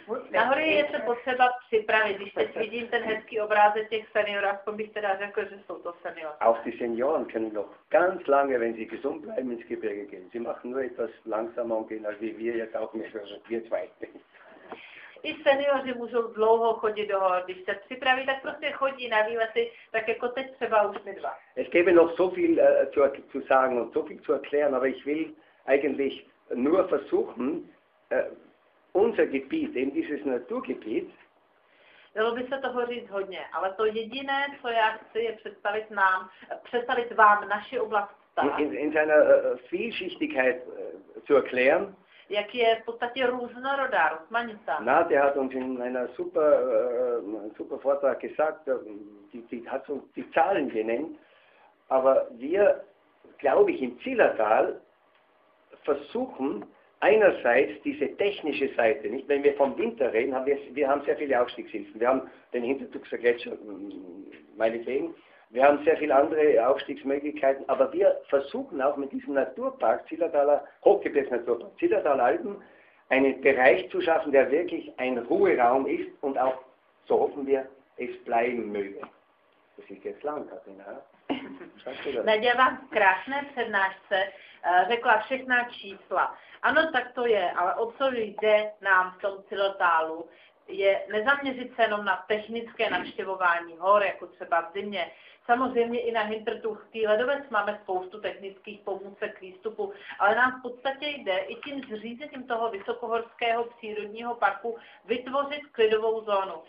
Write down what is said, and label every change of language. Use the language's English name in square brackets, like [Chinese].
[Czech] Na hory je se potřeba připravit, když teď vidím ten hezký obrázek těch seniorů, aspoň bych teda řekl, že jsou to seniory. [German] Auch die Senioren können noch ganz lange, wenn sie gesund bleiben, ins Gebirge gehen. Sie machen nur etwas langsamer und gehen, als wie wir jetzt auch nicht, also wir zwei. [Czech] I seniori můžou dlouho chodit do hor, když se připraví, tak prostě chodí na výlety, tak jako teď třeba už my dva. [German] Es gäbe noch so viel zu sagen und so viel zu erklären, aber ich will eigentlich nur versuchen, unser Gebiet, eben dieses Naturgebiet. [Czech] Dalo by se toho říct hodně, ale to jediné, co já chci, je představit nám, představit vám naši oblast Stará. [German] In seiner Vielschichtigkeit zu erklären. [Czech] Jak je v podstatě různorodá, rozmanitá. [German] Nadja hat uns in einer super Vortrag gesagt, die hat uns die Zahlen genannt, aber wir, glaube ich, im Zillertal versuchen, einerseits diese technische Seite, nicht? Wenn wir vom Winter reden, haben wir haben sehr viele Aufstiegshilfen. Wir haben den Hintertuxer Gletscher, meinetwegen. Wir haben sehr viele andere Aufstiegsmöglichkeiten, aber wir versuchen auch mit diesem Naturpark, Zillertaler, Hochgebirgsnaturpark, Zillertaler Alpen, einen Bereich zu schaffen, der wirklich ein Ruheraum ist und auch, so hoffen wir, es bleiben möge. Das ist jetzt lang, Katrina. [Czech] Nadia vám v krásné přednášce řekla všechna čísla. Ano, tak to je, ale o co jde nám v tom Zillertálu, je nezaměřit se jenom na technické navštěvování hor, jako třeba v zimě. Samozřejmě i na Hintertuchský ledovec máme spoustu technických pomůcek k výstupu, ale nám v podstatě jde i tím zřízením toho vysokohorského přírodního parku vytvořit klidovou zónu.